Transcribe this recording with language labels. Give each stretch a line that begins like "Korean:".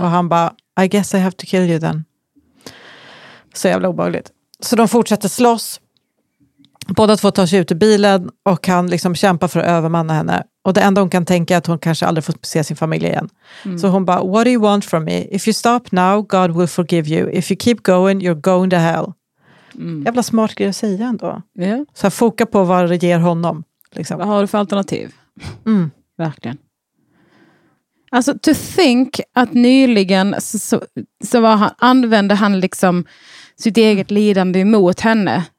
Swedish: Och han bara,
English: I guess I have to kill you then.
Swedish: Så jävla obehagligt. Så de fortsätter slåss. Båda 2 tar sig ut ur bilen och han liksom kämpar för att övermanna henne. Och det enda hon kan tänka är att hon kanske aldrig får se sin familj igen. Mm. Så hon bara,
English: what do you want from me? If you stop now, God will forgive you. If you keep going, you're going to hell. Mm.
Swedish: Jävla smart grej att säga ändå.
English: Yeah.
Swedish: Så här, foka på vad det ger honom. Liksom. Vad har du för alternativ? Mm. Verkligen. Alltså,
English: to think
Swedish: att nyligen använde han liksom sitt eget lidande emot henne.